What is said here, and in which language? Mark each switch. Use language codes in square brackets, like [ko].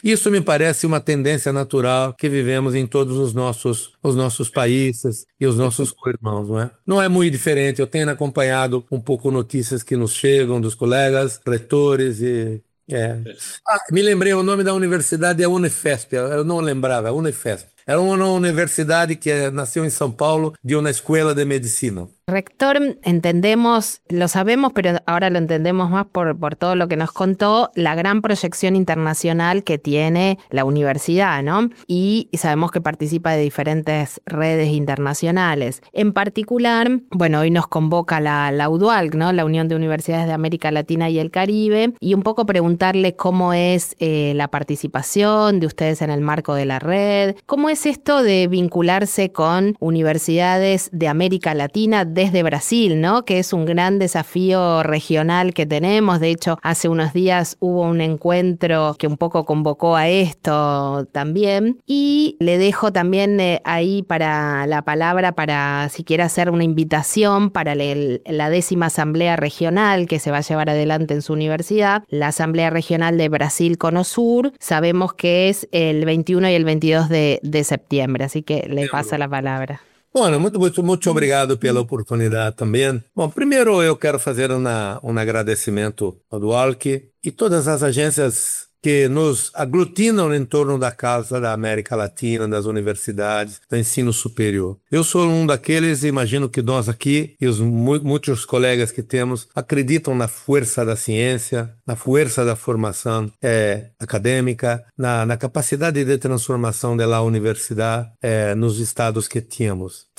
[pt] Isso me parece uma tendência natural que vivemos em todos os nossos países e os nossos irmãos, não é? Não é muito diferente. Eu tenho acompanhado um pouco notícias que nos chegam dos colegas, reitores e. Me lembrei, o nome da universidade é Unifesp, eu não lembrava, é Unifesp. Era uma universidade que nasceu em São Paulo, de uma escola de medicina. [es] Rector, entendemos, lo sabemos, pero ahora lo entendemos más por todo lo que nos contó, la gran proyección internacional que tiene la universidad, ¿no? Y sabemos que participa de diferentes redes internacionales. En particular, bueno, hoy nos convoca la UDUALC, ¿no? La Unión de Universidades de América Latina y el Caribe, y un poco preguntarle cómo es la participación de ustedes en el marco de la red, cómo es esto de vincularse con universidades de América Latina, desde Brasil, ¿no? Que es un gran desafío regional que tenemos. De hecho, hace unos días hubo un encuentro que un poco convocó a esto también. Y le dejo también ahí para la palabra para si quiere hacer una invitación para la décima asamblea regional que se va a llevar adelante en su universidad, la Asamblea Regional de Brasil Cono Sur. Sabemos que es el 21 y el 22 de septiembre, así que le paso la palabra. [pt] Bom, muito obrigado pela oportunidade também. Bom, primeiro eu quero fazer um agradecimento ao Duarte e todas as agências que nos aglutinam em torno da Casa da América Latina, das universidades, do ensino superior. Eu sou um daqueles, imagino que nós aqui e os muitos colegas que temos acreditam na força da ciência, na força da formação acadêmica, na capacidade de transformação da universidade nos estados que temos.